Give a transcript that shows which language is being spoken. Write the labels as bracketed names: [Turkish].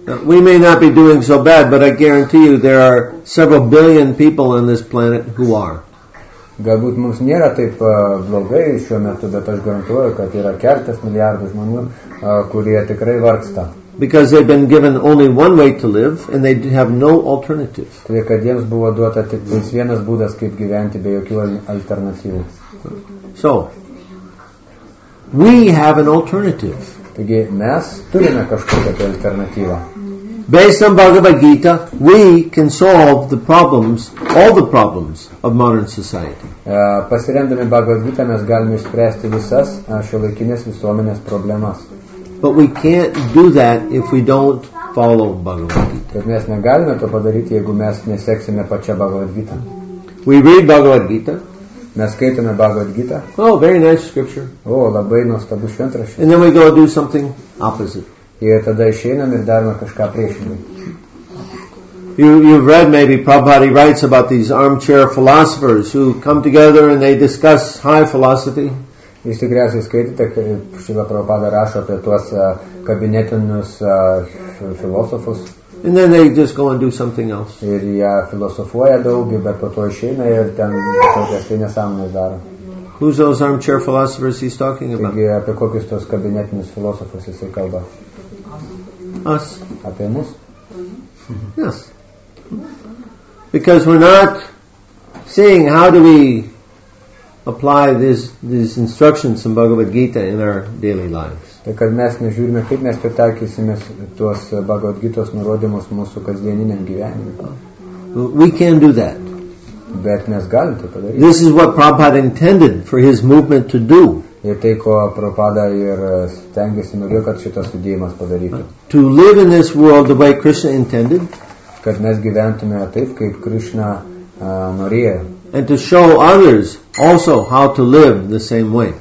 [English] We may not be doing so bad, but I guarantee you there are several billion people on this planet who are. [Lithuanian] Galbūt mums nėra taip blogai šiuo metu, bet aš garantuoju, kad yra keltas milijardų žmonių, kurie tikrai vargsta. [English] Because they've been given only one way to live and they have no alternative. [Lithuanian] Tai kad jiems buvo duota tik vienas būdas, kaip gyventi be jokių alternatyvų. [English] So, we have an alternative. [Lithuanian] Taigi mes turime kažkokią alternatyvą. [English] Based on Bhagavad Gita, we can solve the problems, all the problems of modern society. [Lithuanian] Pasiremdami Bhagavad Gita, mes galime išspręsti visas šiuolaikinės visuomenės problemas. [English] But we can't do that if we don't follow Bhagavad Gita. [Lithuanian] Bet mes negalime to padaryti, jeigu mes neseksime pačią Bhagavad Gita. [English] We read Bhagavad Gita. [Lithuanian] Mes skaitome Bhagavad Gita. [English] Oh, very nice scripture. [Lithuanian] Oh, labai nuostabu šventraštis. [English] And then we go do something opposite. [Lithuanian] Ir tada išeinam ir darome kažką priešingai. [English] You've read maybe Prabhupada writes about these armchair philosophers who come together and they discuss high philosophy. [Lithuanian] Jūs tikriausiai skaitėte, kaip Šrila Prabhupada rašo apie tuos kabinetinius filosofus. [English] And then they just go and do something else. [Lithuanian] Ir jie filosofuoja daug, bet po to išeina ir ten kokias tai nesąmonės daro. [English] Who's those armchair philosophers he's talking about? [Lithuanian] Taigi apie kokius tos kabinetinius filosofus jisai kalba. [English] Us. [Lithuanian] Apie mus? [English] Yes. Because we're not seeing how do we apply these instructions from Bhagavad Gita in our daily lives. [Lithuanian] Tai kad mes nežiūrime, kaip mes pritaikysime tuos Bhagavad Gitos nurodymus mūsų kasdieniniam gyvenimui. [English] We can do that. [Lithuanian] Bet mes galim tai padaryti. [English] This is what Prabhupada intended for his movement to do. [Lithuanian] Ir tai, ko Prabhupada ir stengiasi, norėjo, kad šitas judėjimas padarytų. [English] To live in this world the way Krishna intended. [Lithuanian] Kad mes gyventume taip, kaip Krishna norėjo. [English] And to show others also how to live the same way.